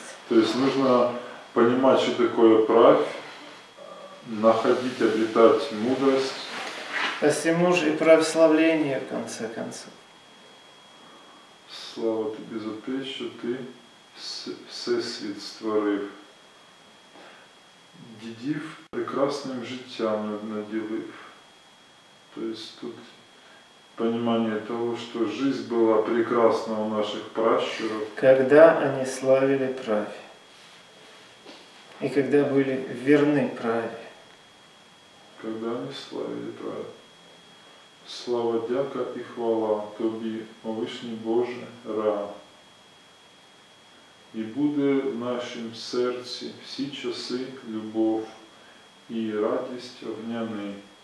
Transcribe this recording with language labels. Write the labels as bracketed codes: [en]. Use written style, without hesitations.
[ru] То есть нужно понимать, что такое правь, находить, обретать мудрость. А если муж и православление в конце концов. Слава тебе за то, что ты [uk] всесвіт створив. Дідів прекрасним життям наділив. [ru] То есть тут понимание того, что жизнь была прекрасна у наших пращуров. Когда они славили праве. И когда были верны праве. Когда они славили праве. [uk] Слава, дяка і хвала тобі, о Вишній Боже, Ра. І буде в нашім серці всі часи любов і радість огняний.